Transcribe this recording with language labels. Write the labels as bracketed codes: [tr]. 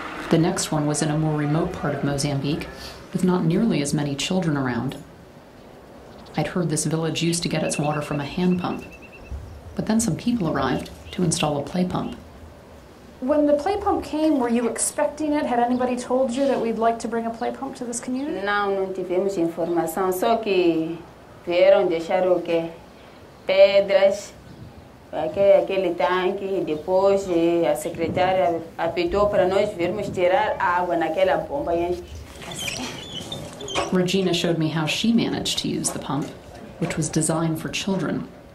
[en] The next one was in a more remote part of Mozambique, with not nearly as many children around. I'd heard this village used to get its water from a hand pump, But then some people arrived to install a play pump. When the play pump came, were you expecting it? Had anybody told you that we'd like to bring a play pump to this community? [pt] No, non tivemos informação, só que vieram deixar o quê? Pedras, aquele tanque, e depois a secretária apitou para nós virmos tirar água naquela bomba. [en] Regina showed me how she managed to use the pump, which was designed for children.